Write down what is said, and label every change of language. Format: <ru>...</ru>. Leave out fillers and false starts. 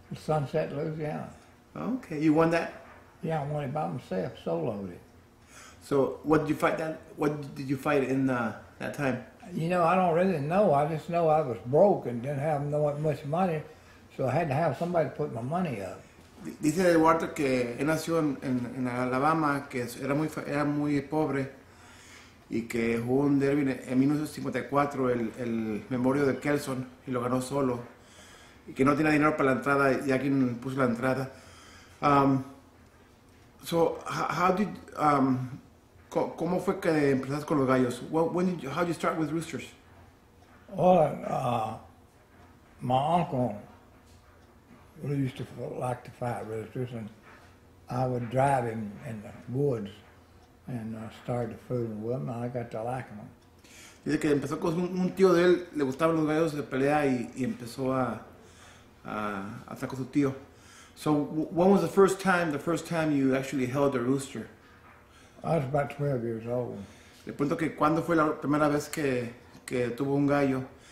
<en>Sunset, Louisiana. Okay. You won that? Yeah, I won it by myself, soloed it. So what did you fight that? What did you fight in that time? You know, I don't really know. I just know I was broke and didn't have much money. So I had to have somebody to put my money up.</en> <es>Dice Eduardo que él nació en Alabama, que era muy pobre y que jugó un derby en 1954, el memorial de Kelson, y lo ganó solo. Y que no tenía dinero para la entrada y alguien puso la entrada.</es> <en>So how did,</en> <es>¿cómo fue que empezaste con los gallos?</es> <en>How did you start with roosters? Well, my uncle, we used to like to fight roosters, and I would drive him in the woods and start to fool with them, and I got to like them.</en> <es>Dice que empezó con un tío de él, le gustaban los gallos de pelea, y empezó a estar con su tío.</es> <en>So when was the first time you actually held a rooster? I was about 12 years old.</en> <es>Le pregunto que cuando fue la primera vez que tuvo un gallo.</es>